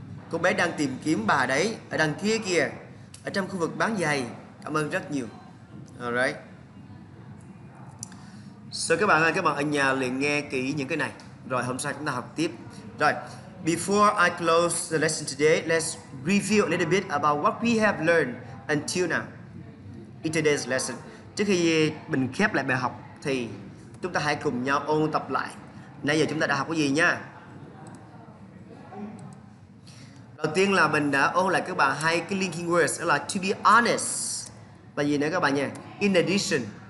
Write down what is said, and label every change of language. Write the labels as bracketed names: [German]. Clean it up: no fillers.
[Vietnamese] Cô bé đang tìm kiếm bà đấy, ở đằng kia kìa, ở trong khu vực bán giày. Cảm ơn rất nhiều. Alright. So các bạn ơi, các bạn ở nhà liền nghe kỹ những cái này. Rồi hôm sau chúng ta học tiếp. Rồi, [English] before I close the lesson today, let's review a little bit about what we have learned until now in today's lesson. [Vietnamese] Trước khi mình khép lại bài học thì chúng ta hãy cùng nhau ôn tập lại. Nãy giờ chúng ta đã học cái gì nha? Đầu tiên là mình đã ôn lại các bạn hai cái linking words, đó là to be honest. Và gì nữa các bạn nha? [English] In addition.